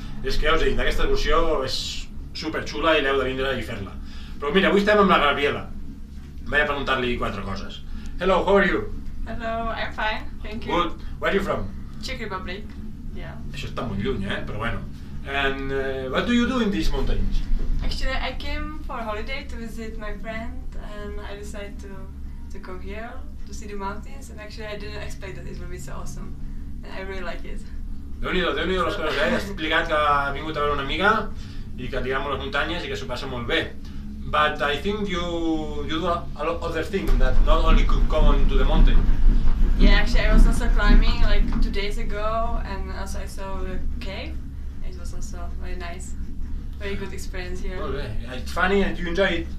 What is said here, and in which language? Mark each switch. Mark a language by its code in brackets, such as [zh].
[ca] És que ja us he dit, aquesta excursió és superxula i l'heu de vindre i fer-la. Però mira, avui estem amb la Gabriela. Vaig a preguntar-li quatre coses. [en] Hello, how are you? Hello, I'm fine, thank you. Good. Where are you from? Czech Republic, yeah. [ca] Això està molt lluny, però bueno. [en] And what do you do in these mountains? Actually, I came for a holiday to visit my friend and I decided to come here to see the mountains, and actually I didn't expect that it would be so awesome and I really like it. [ca] Déu-n'hi-do, déu-n'hi-do les coses, eh? Estic ligat que ha vingut a veure una amiga i que li amo les muntanyes i que s'ho passa molt bé. [en] But I think you do a lot other things that not only could come to the mountain. Yeah, actually I was also climbing like 2 days ago and also I saw the cave. It was also very nice. Very good experience here. [ca] Molt bé. [en] It's funny and you enjoy it.